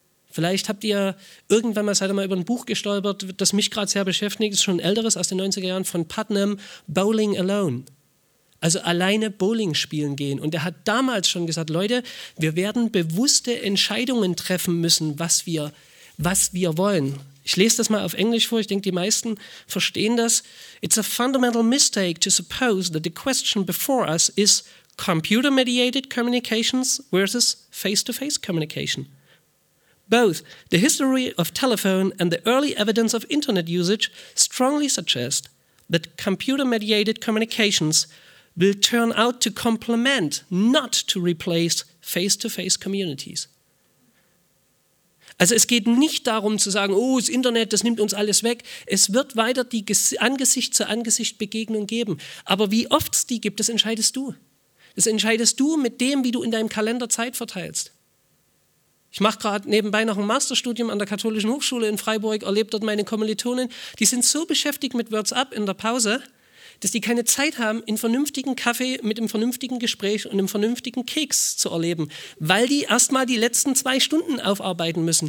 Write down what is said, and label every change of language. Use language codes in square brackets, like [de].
[de] Vielleicht habt ihr irgendwann mal, seid ihr mal über ein Buch gestolpert, das mich gerade sehr beschäftigt, ist schon ein älteres aus den 90er Jahren von Putnam, Bowling Alone. Also alleine Bowling spielen gehen. Und er hat damals schon gesagt, Leute, wir werden bewusste Entscheidungen treffen müssen, was wir wollen. Ich lese das mal auf Englisch vor, ich denke, die meisten verstehen das. [en] It's a fundamental mistake to suppose that the question before us is computer-mediated communications versus face-to-face communication. Both the history of telephone and the early evidence of internet usage strongly suggest that computer-mediated communications will turn out to complement, not to replace, face-to-face communities. [de] Also es geht nicht darum zu sagen, oh, das Internet, das nimmt uns alles weg. Es wird weiter die Angesicht-zu-Angesicht-Begegnung geben. Aber wie oft es die gibt, das entscheidest du. Das entscheidest du mit dem, wie du in deinem Kalender Zeit verteilst. Ich mache gerade nebenbei noch ein Masterstudium an der Katholischen Hochschule in Freiburg, erlebe dort meine Kommilitonen, die sind so beschäftigt mit WhatsApp in der Pause, dass die keine Zeit haben, einen vernünftigen Kaffee mit einem vernünftigen Gespräch und einem vernünftigen Keks zu erleben, weil die erstmal die letzten 2 Stunden aufarbeiten müssen.